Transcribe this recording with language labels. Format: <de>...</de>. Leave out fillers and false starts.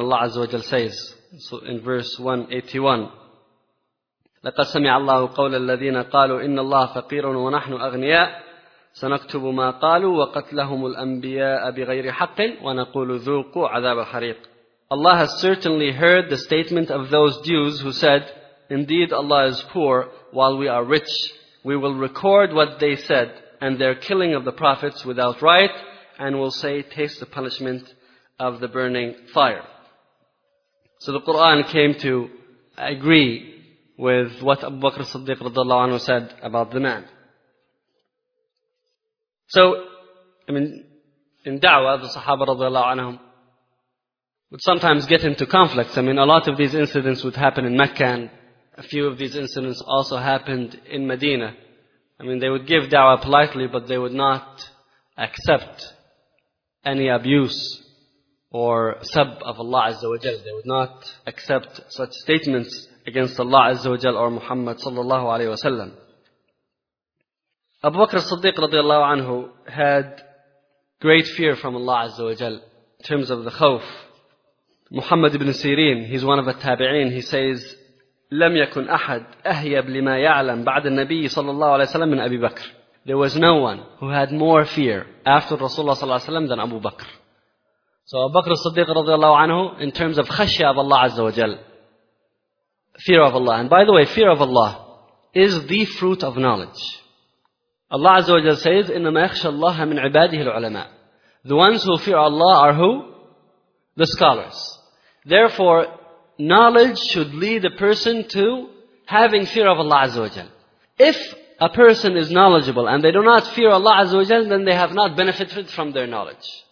<ar>Allah Azza wa Jal says, so in verse 181, لَقَدْ سَمِعَ اللَّهُ قَوْلَ الَّذِينَ قَالُوا إِنَّ اللَّهَ فَقِيرٌ وَنَحْنُ أَغْنِيَاءُ سَنَكْتُبُ مَا قَالُوا وَقَتْلَهُمُ الْأَنْبِيَاءَ بِغَيْرِ حَقٍّ وَنَقُولُ ذُوقُوا عَذَابَ الْحَرِيقِ.</ar> <en>Allah has certainly heard the statement of those Jews who said, indeed Allah is poor while we are rich. We will record what they said and their killing of the prophets without right, and will say, taste the punishment of the burning fire. So the Quran came to agree with what Abu Bakr as-Siddiq radiallahu anhu said about the man. So, I mean, in da'wah, the Sahaba radiallahu anhum would sometimes get into conflicts. I mean, a lot of these incidents would happen in Mecca, and a few of these incidents also happened in Medina. I mean, they would give da'wah politely, but they would not accept any abuse or sab of Allah Azza wa Jal. They would not accept such statements against Allah Azza wa Jal or Muhammad sallallahu alayhi wa sallam. Abu Bakr as-Siddiq radiallahu anhu had great fear from Allah Azza wa Jal in terms of the khawf.</en> <ar>Muhammad ibn Sirin, he's one of the tabi'een, he says, لم يكن أحد أهيب لما يعلم بعد النبي صلى الله عليه وسلم من أبي بكر.</ar> <en>There was no one who had more fear after Rasulullah صلى الله عليه وسلم than Abu Bakr. So Abu Bakr as-Siddiq radiallahu anhu, in terms of khashya of Allah Azza wa Jal, fear of Allah. And by the way, fear of Allah is the fruit of knowledge.</en> <ar>Allah Azza wa Jal says, إِنَّمَا يَخْشَ اللَّهَ مِنْ عِبَادِهِ الْعُلَمَاءِ.</ar> <en>The ones who fear Allah are who? The scholars. Therefore, knowledge should lead a person to having fear of Allah Azza wa Jal. If a person is knowledgeable and they do not fear Allah Azza wa Jal, then they have not benefited from their knowledge.</en>